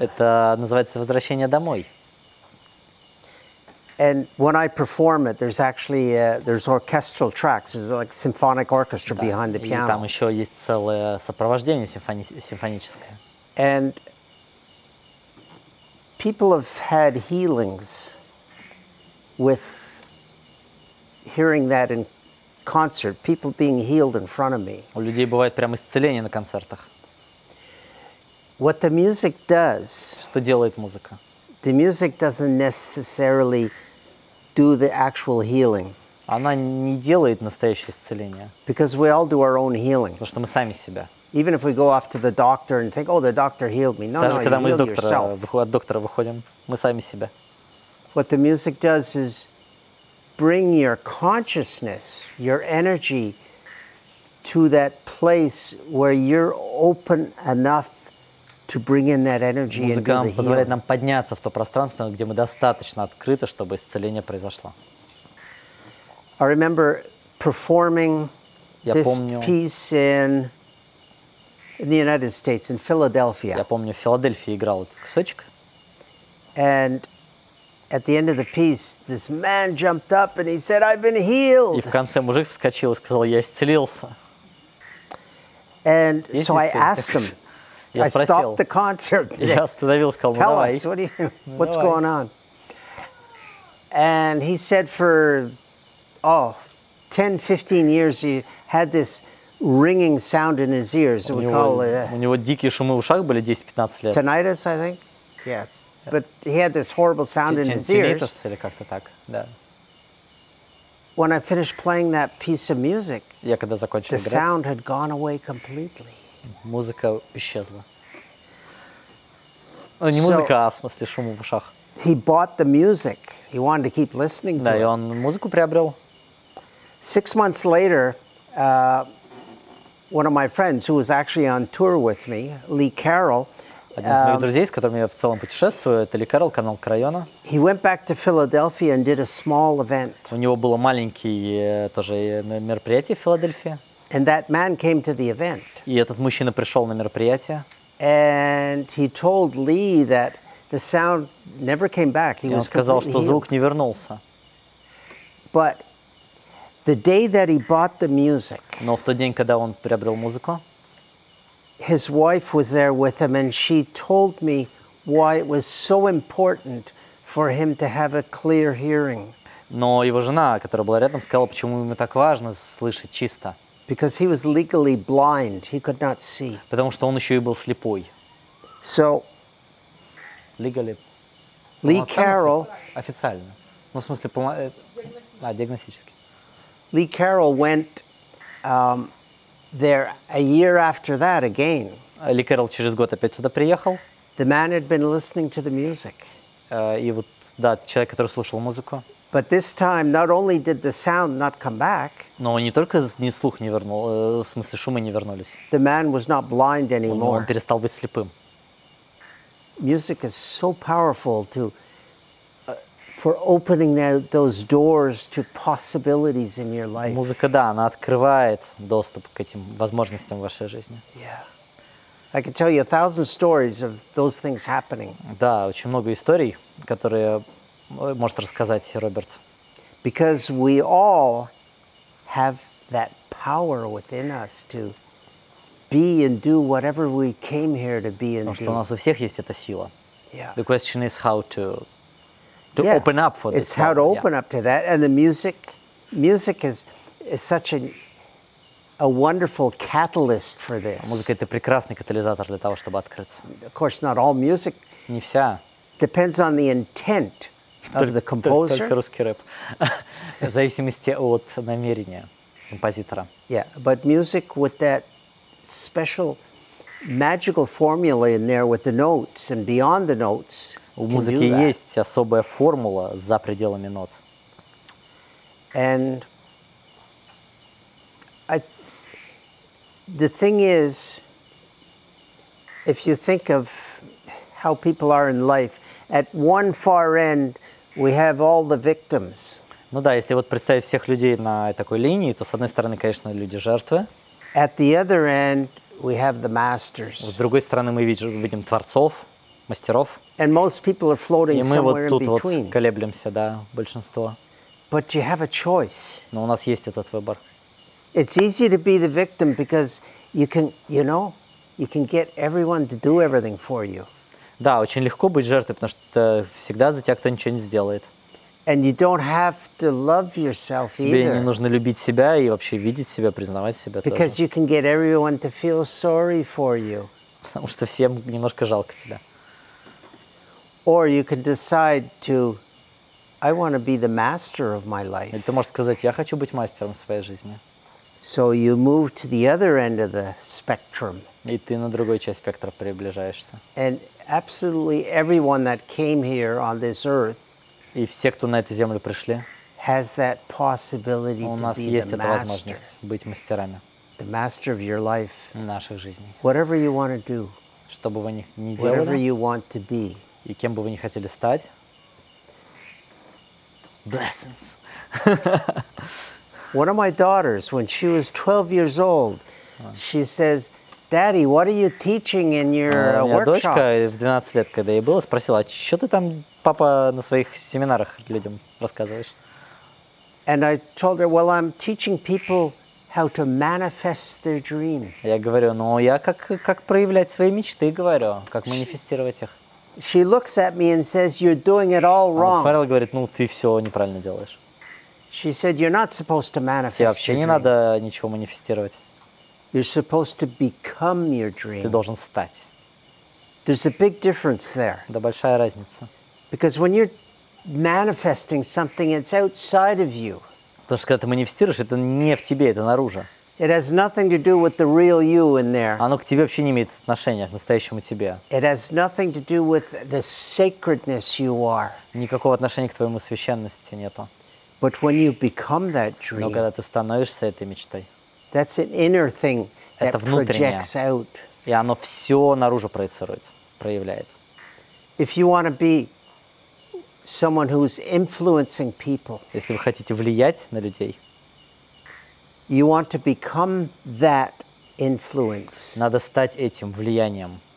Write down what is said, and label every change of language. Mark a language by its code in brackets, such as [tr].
[ru] Это называется «Возвращение домой». [en] And when I perform it, there's actually there's orchestral tracks. There's like symphonic orchestra behind the piano. [ru] И там еще есть целое сопровождение симфоническое. [en] And people have had healings with hearing that in concert, people being healed in front of me. [ru] У людей бывает прямо исцеление на концертах. [en] What the music does? [ru] Что делает музыка? [en] The music doesn't necessarily do the actual healing. [ru] Она не делает настоящее исцеление. [en] Because we all do our own healing. [ru] Потому что мы сами себя. [en] Even if we go off to the doctor and think, oh, the doctor healed me. No, [ru] даже [en] no, [ru] когда мы из доктора, от доктора выходим, мы сами себя. [en] What the music does is bring your consciousness, your energy to that place where you're open enough to bring in that energy into the healing. [ru] Музыка позволяет нам подняться в то пространство, где мы достаточно открыты, чтобы исцеление произошло. [en] I remember performing this piece in the United States, in Philadelphia. [ru] Я помню, в Филадельфии играл этот кусочек. [en] And at the end of the piece, this man jumped up and he said, "I've been healed." [ru] И в конце мужик вскочил и сказал, "Я исцелился." [en] And so I asked him. I stopped the concert. [ru] Я остановил, сказал, [en] "Tell us, what's going on?" And he said, for 10-15 years, he had this ringing sound in his ears. [ru] У него дикие шумы в ушах были 10-15 лет. [en] Tinnitus, I think. Yes. But he had this horrible sound in his ears. [ru] Или как-то так, да. [en] When I finished playing that piece of music, [ru] я когда закончил играть, [en] the sound had gone away completely. [ru] Музыка исчезла. Не музыка, а в смысле шум в ушах. [en] He bought the music. He wanted to keep listening to it. [ru] Да, и он музыку приобрел. [en] 6 months later, one of my friends, who was actually on tour with me, Lee Carroll. [ru] Один из моих друзей, с которым я в целом путешествую, это Ли Кэрролл, канал Крайона. [en] He went back to Philadelphia and did a small event. [ru] У него было маленькое тоже мероприятие в Филадельфии. [en] And that man came to the event. [ru] И этот мужчина пришел на мероприятие. [en] And he told Lee that the sound never came back. He was completely healed. [ru] И он сказал, что звук не вернулся. [en] But the day that he bought the music. [ru] Но в тот день, когда он приобрел музыку. [en] His wife was there with him, and she told me why it was so important for him to have a clear hearing. [ru] Но его жена, которая была рядом, сказала, почему ему так важно слышать чисто. [en] Because he was legally blind, he could not see. [ru] Потому что он еще и был слепой. [en] So, legally. Lee Carroll. [ru] Официально. Ну, в смысле, диагностически. [en] Lee Carroll went. There a year after that again. [ru] Ли Кэрролл через год опять туда приехал. [en] The man had been listening to the music. [ru] И вот да, человек, который слушал музыку. [en] But this time, not only did the sound not come back. [ru] Но не только ни слух не вернул, в смысле шумы не вернулись. [en] The man was not blind anymore. [ru] Он перестал быть слепым. [en] Music is so powerful to for opening those doors to possibilities in your life. [ru] Музыка, да, она открывает доступ к этим возможностям в вашей жизни. [en] Yeah. I can tell you 1,000 stories of those things happening. [ru] Да, очень много историй, которые может рассказать Роберт. [en] Because we all have that power within us to be and do whatever we came here to be and do. [ru] Потому что у нас у всех есть эта сила. [en] Yeah. The question is how to open up for it's how to open up to that, and the music is such a wonderful catalyst for this. [ru] Музыка это прекрасный катализатор для того, чтобы открыться. [en] Of course, not all music. [ru] Не вся. [en] Depends on the intent of the composer. [ru] Только русский рэп. В зависимости от намерения композитора. [en] Yeah, but music with that special magical formula in there with the notes and beyond the notes. [ru] У музыки есть особая формула за пределами нот. [en] And the thing is, if you think of how people are in life, at one far end we have all the victims. [ru] Ну да, если вот представить всех людей на такой линии, то с одной стороны, конечно, люди жертвы. [en] At the other end we have the masters. [ru] С другой стороны, мы видим творцов, мастеров. [en] And most people are floating somewhere in between. [ru] И мы вот тут вот колеблемся, да, большинство. [en] But you have a choice. [ru] Но у нас есть этот выбор. [en] It's easy to be the victim because you can get everyone to do everything for you. [ru] Да, очень легко быть жертвой, потому что всегда за тебя кто ничего не сделает. [en] And you don't have to love yourself either. [ru] Тебе не нужно любить себя и вообще видеть себя, признавать себя. [en] Because you can get everyone to feel sorry for you. [ru] Потому что всем немножко жалко тебя. [en] Or you can decide to, I want to be the master of my life. [ru] Ты можешь сказать, я хочу быть мастером своей жизни. [en] So you move to the other end of the spectrum. [ru] И ты на другой части спектра приближаешься. [en] And absolutely everyone that came here on this earth. [ru] И все, кто на эту землю пришли. [en] Has that possibility to be the master. [ru] У нас есть эта возможность быть мастерами. [en] The master of your life. [ru] Наших жизней. [en] Whatever you want to do. [ru] Чтобы вы ни делали. [en] Whatever you want to be. [ru] И кем бы вы ни хотели стать? [en] Blessings. One of my daughters, when she was 12 years old, she says, "Daddy, what are you teaching in your workshops?" [ru] Моя дочка в 12 лет, когда ей было, спросила, а что ты там, папа, на своих семинарах людям рассказываешь? [en] And I told her, "Well, I'm teaching people how to manifest their dream." [ru] Я говорю, ну я как проявлять свои мечты, говорю, как манифестировать их. [en] She looks at me and says, "You're doing it all wrong." [ru] Фаррелл говорит, ну ты все неправильно делаешь. [en] She said, "You're not supposed to manifest." [ru] Тебе вообще не надо ничего манифестировать. [en] You're supposed to become your dream. [ru] Ты должен стать. [en] There's a big difference there. [ru] Да большая разница. [en] Because when you're manifesting something, it's outside of you. [ru] Потому что когда ты манифестируешь, это не в тебе, это наружу. [en] It has nothing to do with the real you in there. [ru] Оно к тебе вообще не имеет отношения, к настоящему тебе. [en] It has nothing to do with the sacredness you are. [ru] Никакого отношения к твоему священности нету. [en] But when you become that dream, [ru] но когда ты становишься этой мечтой, [en] that's an inner thing that projects out. [ru] И оно все наружу проецирует, проявляет. [en] If you want to be someone who's influencing people, [ru] если вы хотите влиять на людей, [en] you want to become that influence. [ru] Надо стать этим влиянием.